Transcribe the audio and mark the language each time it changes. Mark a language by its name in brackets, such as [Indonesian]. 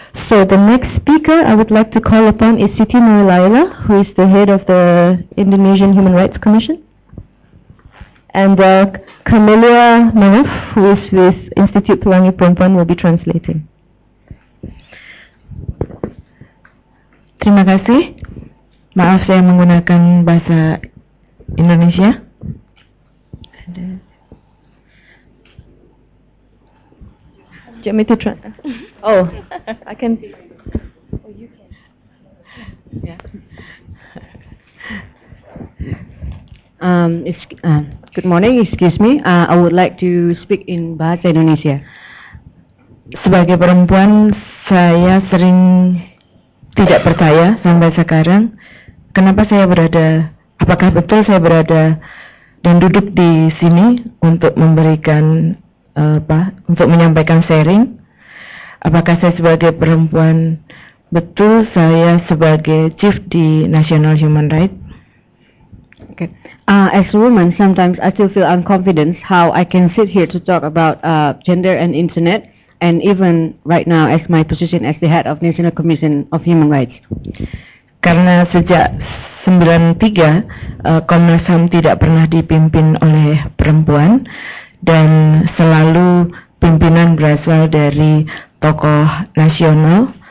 [English] So the next speaker I would like to call upon is Siti Nurlaila, who is the head of the Indonesian Human Rights Commission, and Camelia Manuf, who is with Institute Pelangi Perempuan, will be translating. [Indonesian] Terima kasih. Maaf saya menggunakan bahasa Indonesia. [English] Do you want me to try? Oh, I can. Oh, you can. Yeah. Good morning. Excuse me. I would like to speak in Bahasa Indonesia. [Indonesian] Sebagai perempuan, saya sering tidak percaya sampai sekarang. Kenapa saya berada? Apakah betul saya berada dan duduk di sini untuk memberikan untuk menyampaikan sharing? Apakah saya sebagai perempuan betul saya sebagai chief di National Human Rights? [English] Okay. As a woman, sometimes I still feel unconfident how I can sit here to talk about gender and internet, and even right now as my position as the head of National Commission of Human Rights. [Indonesian] Karena sejak 93 Komnas HAM tidak pernah dipimpin oleh perempuan dan selalu pimpinan berasal dari tokoh nasional.